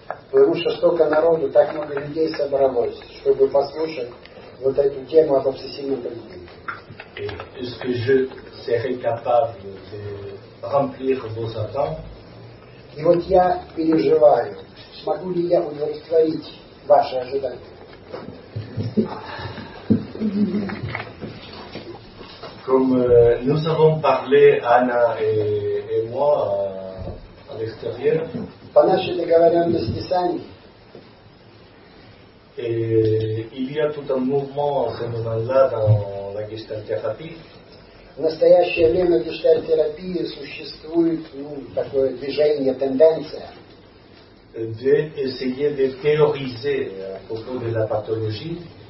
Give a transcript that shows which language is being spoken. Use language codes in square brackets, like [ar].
[ru] Потому что столько народу, так много людей собралось, чтобы послушать вот эту тему об обсессивном поведении. [fr] Est-ce que je serai capable de remplir vos attentes? [ru] И вот я переживаю, смогу ли я удовлетворить ваши ожидания? [fr] Comme nous avons parlé, Anna et moi, à l'extérieur. [ru] По нашей договоренности с Аней. [fr] Et il y a tout un mouvement en ce moment-là dans la гештальт-терапии. [ru] В настоящее время в гештальт-терапии существует такое движение, тенденция. [fr] D'essayer de théoriser à propos de la pathologie.